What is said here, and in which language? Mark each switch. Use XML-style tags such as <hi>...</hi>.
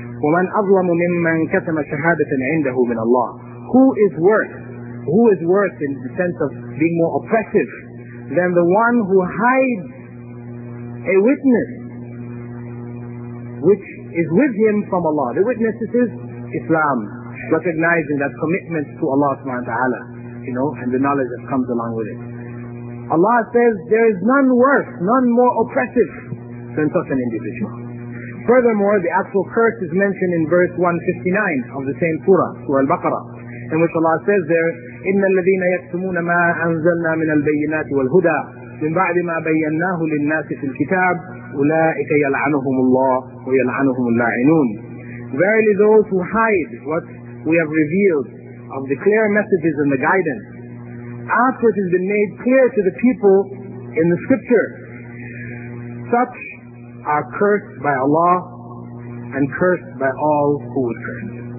<ar>وَمَنْ أَظْلَمُ مِمَّنْ كَتَمَ شَهَادَةً عِنْدَهُ مِنَ اللَّهِ,</ar> <en>who is worse in the sense of being more oppressive than the one who hides a witness which is with him from Allah. The witness is Islam, recognizing that commitment to Allah subhanahu wa ta'ala, you know, and the knowledge that comes along with it. Allah says there is none worse, none more oppressive than such an individual. Furthermore, the actual curse is mentioned in verse 159 of the same surah, Surah Al-Baqarah, in which Allah says there,</en> <ar>إِنَّ الَّذِينَ يَكْتُمُونَ مَا أَنزَلْنَا مِنَ الْبَيِّنَاتِ وَالْهُدَىٰ مِنْ بَعْدِ مَا بَيَّنَّاهُ لِلنَّاسِ فِي الْكِتَابِ أُولَٰئِكَ يَلْعَنُهُمُ اللَّهُ وَيَلْعَنُهُمُ اللَّاعِنُونَ.</ar> <en>Verily those who hide what we have revealed of the clear messages and the guidance, after it has been made clear to the people in the scripture, such are cursed by Allah and cursed by all who would curse.</en>